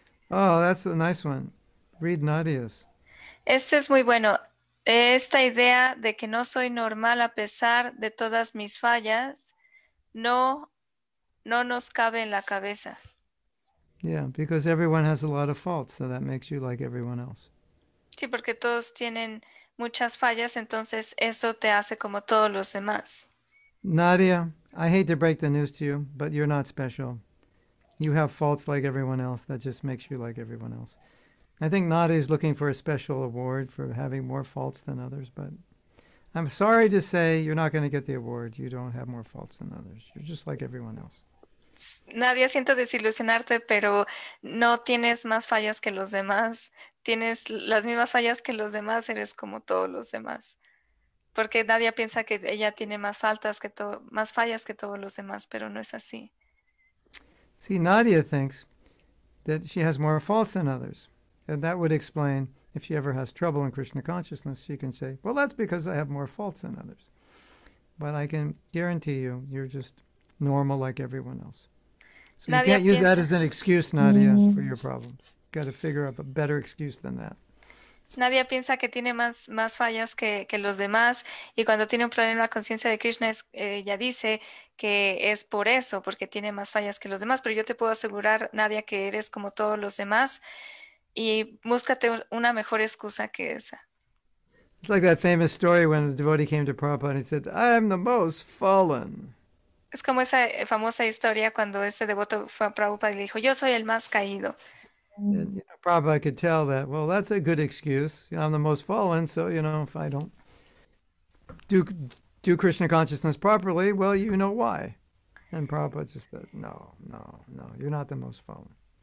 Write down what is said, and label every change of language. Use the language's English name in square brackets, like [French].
[English] Oh, that's a nice one. Read Nadia's. [Spanish] Este es muy bueno. Esta idea de que no soy normal a pesar de todas mis fallas, no nos cabe en la cabeza. [English] Yeah, because everyone has a lot of faults, so that makes you like everyone else. [Spanish] Sí, porque todos tienen muchas fallas, entonces eso te hace como todos los demás. [English] Nadia, I hate to break the news to you, but you're not special. You have faults like everyone else. That just makes you like everyone else. I think Nadia is looking for a special award for having more faults than others, but I'm sorry to say you're not going to get the award. You don't have more faults than others. You're just like everyone else. [Spanish] Nadia, siento desilusionarte, pero no tienes más fallas que los demás. Tienes las mismas fallas que los demás, eres como todos los demás. Porque Nadia piensa que ella tiene más fallas que todos los demás, pero no es así. [English] See, Nadia thinks that she has more faults than others. And that would explain if she ever has trouble in Krishna consciousness, she can say, well, that's because I have more faults than others. But I can guarantee you, you're just normal like everyone else. So you Nadia can't use [Spanish] piensa. [English] That as an excuse, Nadia, for your problems. You've got to figure up a better excuse than that. [Spanish] Nadia piensa que tiene más fallas que los demás, y cuando tiene un problema en la conciencia de Krishna, ella dice que es por eso, porque tiene más fallas que los demás. Pero yo te puedo asegurar, Nadia, que eres como todos los demás, y búscate una mejor excusa que esa. [English] It's like that famous story when a devotee came to Prabhupada and he said, I am the most fallen. [Spanish] Es como esa famosa historia cuando este devoto fue a Prabhupada y le dijo, yo soy el más caído. [English] And you know, Prabhupada could tell that, well, that's a good excuse. You know, I'm the most fallen, so, you know, if I don't do Krishna consciousness properly, well, you know why. And Prabhupada just said, no, you're not the most fallen.